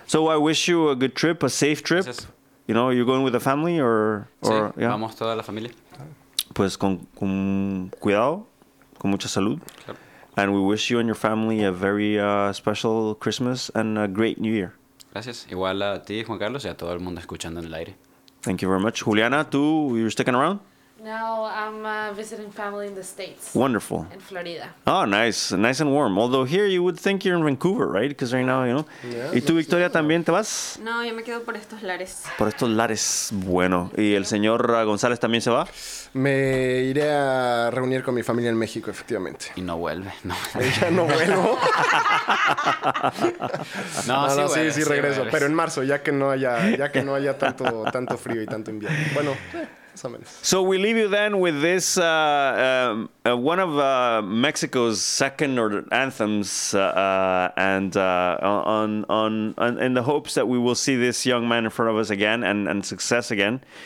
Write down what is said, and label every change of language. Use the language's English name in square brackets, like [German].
[English] So I wish you a good trip, a safe trip. Gracias. You know, you're going with the family or [Spanish] sí, yeah? Vamos toda la familia. Pues con cuidado, con mucha salud. Claro. [English] And we wish you and your family a very special Christmas and a great New Year. [Spanish] Gracias. Igual a ti, Juan Carlos, y a todo el mundo escuchando en el aire. [English] Thank you very much. Juliana, you're sticking around? No, I'm visiting family in the States. Wonderful. In Florida. Oh, nice. Nice and warm. Although here you would think you're in Vancouver, right? Because right now, you know. Yeah, [Spanish] ¿y tú, Victoria, también te vas? No, yo me quedo por estos lares. Por estos lares. Bueno. ¿Y el señor González también se va? Me iré a reunir con mi familia en México, efectivamente. Y no vuelve. No. Ya no vuelvo. No, sí, sí regreso. Pero en marzo, ya que no haya tanto frío y tanto invierno. Bueno, [English] So we leave you then with this one of Mexico's second or anthems, and in the hopes that we will see this young man in front of us again and success again.